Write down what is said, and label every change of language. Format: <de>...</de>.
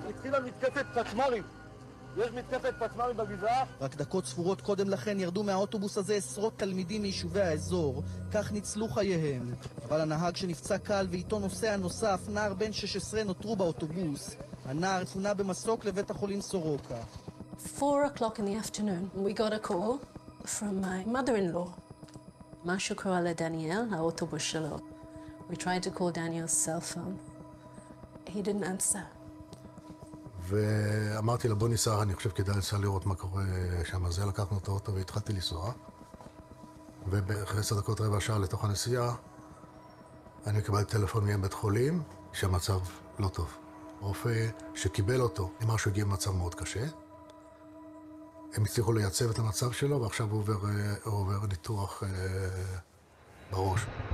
<he>התחילה מתקפת פצמרים. יש מתקפת פצמרים בגזרה? רק דקות ספורות קודם לכן ירדו מהאוטובוס הזה עשרות תלמידים מיישובי האזור. כך ניצלו חייהם. אבל הנהג שנפצע קל ואיתו נוסע נוסף, נער בן 16 נותרו באוטובוס. הנער תפונה במסוק לבית החולים סורוקה.</he> <en>4:00 in the afternoon, we got a call from my mother-in-law.</en> <he>משהו קרה לדניאל, האוטובוס שלו.</he> <en>We tried to call Daniel's cell phone. He didn't answer.</en> <he>ואמרתי לה, בוא ניסע, אני חושב כדאי לסע לראות מה קורה שם. אז לקחנו את האוטו והתחלתי לנסוע. ובאחרי 10 דקות רבע שעה לתוך הנסיעה, אני קיבלתי טלפון מבית חולים שהמצב לא טוב. רופא שקיבל אותו, אמר שהוא הגיע במצב מאוד קשה. הם הצליחו לייצב את המצב שלו, ועכשיו הוא עובר, ניתוח בראש.</he>